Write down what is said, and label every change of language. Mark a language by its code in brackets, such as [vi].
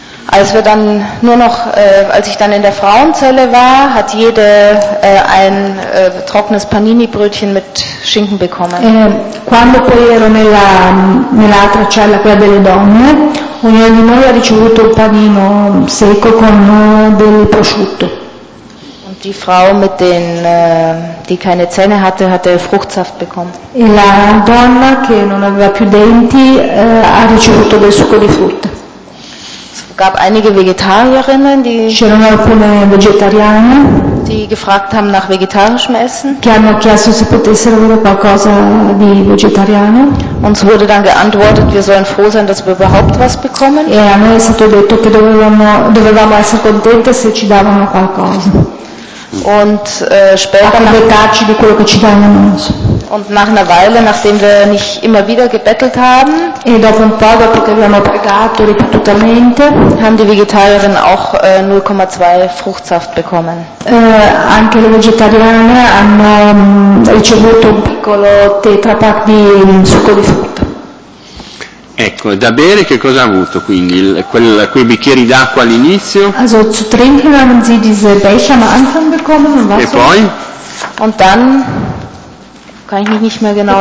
[de] Als wir dann nur noch, als ich dann in der Frauenzelle war, hat jede ein trockenes Panini-Brötchen mit Schinken bekommen. [it] Quando poi ero nell'altra cella, quella delle donne, ognuno di noi ha ricevuto un panino secco con del prosciutto. [de] Und die Frau mit den, die keine Zähne hatte, hatte Fruchtsaft bekommen. [it] E la donna che non aveva più denti ha ricevuto del succo di frutta. [de] Es gab einige Vegetarierinnen, die, [it] c'erano alcune vegetariane, [de] die gefragt haben nach vegetarischem Essen. [it] Che hanno chiesto se potessero avere qualcosa di vegetariano. [de] Uns wurde dann geantwortet, wir sollen froh sein, dass wir überhaupt was bekommen. [it] E a noi è stato detto che dovevamo essere contente se ci davano qualcosa. [de] Und später [it] accontentarci di quello che ci davano. [de] Und nach einer Weile, nachdem wir nicht immer wieder gebettelt haben, [it] e dopo un po', dopo che abbiamo pregato ripetutamente, [de] haben die Vegetarierinnen auch 0,2 Fruchtsaft bekommen. [it] Anche le vegetariane hanno ricevuto un piccolo tetrapack di succo di frutta. Ecco, da bere che cosa ha avuto quindi? Quei bicchieri d'acqua all'inizio? [de] Also zu trinken haben sie diese Becher am Anfang bekommen. Und [it] e poi? [de] Und dann? Kann ich mich nicht mehr genau